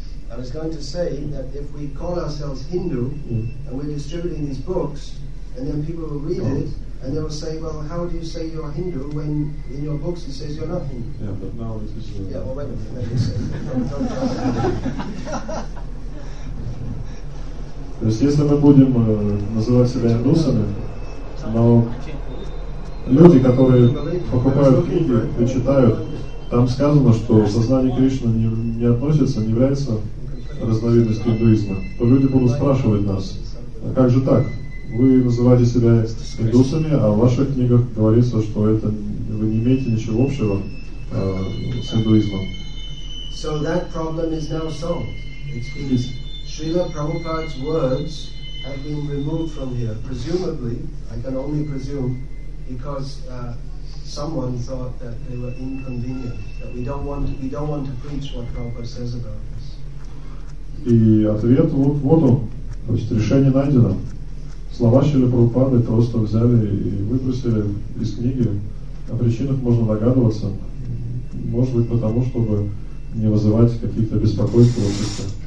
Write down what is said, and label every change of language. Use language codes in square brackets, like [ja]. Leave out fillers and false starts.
[en] I was going to say that if we call ourselves Hindu and we're distributing these books, and then people will read it, and they will say, well, how do you say you are Hindu when in your books it says you're not Hindu? Yeah, but now it is... Yeah, well, wait a minute, let me say. [ru] То есть, если мы будем называть себя индусами, но люди, которые покупают книги и читают, там сказано, что сознание Кришны не относится, не является разновидностью индуизма, то люди будут спрашивать нас, а как же так? Вы называете себя индусами, а в ваших книгах говорится, что это вы не имеете ничего общего с индуизмом. [en] So that problem is now solved. Srila Prabhupada's words have been removed from here. Presumably, I can only presume, because someone thought that they were inconvenient, that we don't want to preach what Prabhupada says about this. [ru] И ответ вот он. То есть решение найдено. Слова Шрилы Прабхупады просто взяли и выбросили из книги. О причинах можно догадываться. Может быть, потому, чтобы не вызывать каких-то беспокойств в обществе.